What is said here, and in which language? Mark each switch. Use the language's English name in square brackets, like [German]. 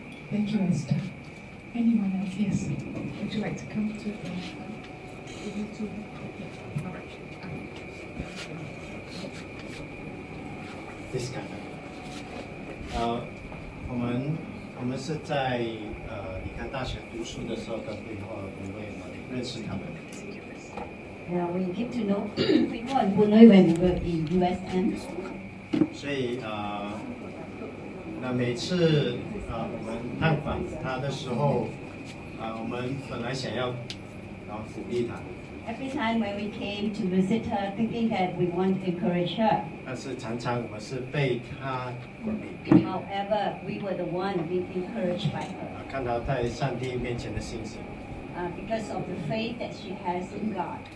[English] Thank you, Esther. Anyone else? Yes. Would you like to come to the This guy. We went to the we came to know people in Boon Lui when we were in USM. [Chinese] So, 那每次我们探访他的时候，我们本来想要鼓励他。 [English] Every time when we came to visit her, thinking that we want to encourage her. [Chinese] 但是常常我们是被他鼓励。 [English] However, we were the one being encouraged by her. [Chinese] 看到在上帝面前的信心。 [English] Because of the faith that she has in God.